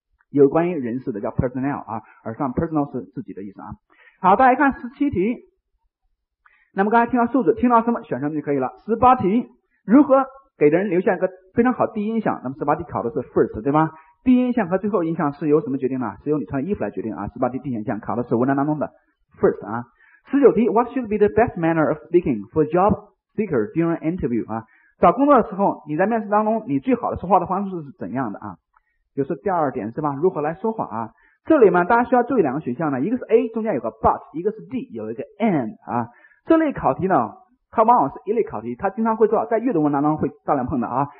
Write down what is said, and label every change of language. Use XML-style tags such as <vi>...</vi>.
<zh>有关于人事的叫 personal 啊而上 personal 是自己的意思啊好大家看17题那么刚才听到数字听到什么选什么就可以了18题如何给人留下一个非常好第一印象那么18题考的是 first 对吗第一印象和最后印象是由什么决定呢？是由你穿的衣服来决定啊，是吧？第一印象考的是文章当中的 first 啊。十九题</zh> <en>，What should be the best manner of speaking for job seeker during interview 啊？</en> <zh>找工作的时候，你在面试当中，你最好的说话的方式是怎样的啊？就是第二点是吧？如何来说话啊？这里嘛，大家需要注意两个选项呢，一个是 A 中间有个 but， 一个是 D 有一个 and 啊。这类考题呢，它往往是一类考题，它经常会做，在阅读文当中会大量碰到啊。</zh>